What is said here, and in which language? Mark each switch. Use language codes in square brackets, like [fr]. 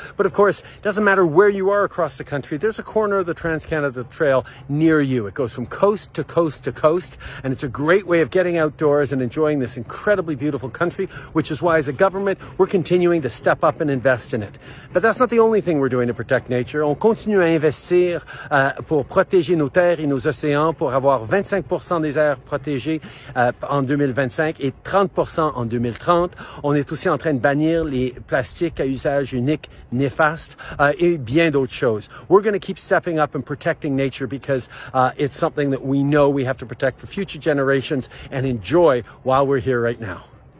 [en] But of course, it doesn't matter where you are across the country, there's a corner of the Trans-Canada Trail near you. It goes from coast to coast to coast, and it's a great way of getting outdoors and enjoying this incredibly beautiful country, which is why as a government, we're continuing to step up and invest in it. But that's not the only thing we're doing to protect nature. [fr] On continue investir pour protéger nos terres et nos océans, pour avoir 25% des aires protégées en 2025 et 30% en 2030. On est aussi en train de bannir les plastiques à usage unique néfastes et bien d'autres choses. [en] We're going to keep stepping up and protecting nature because it's something that we know we have to protect for future generations and enjoy while we're here right now.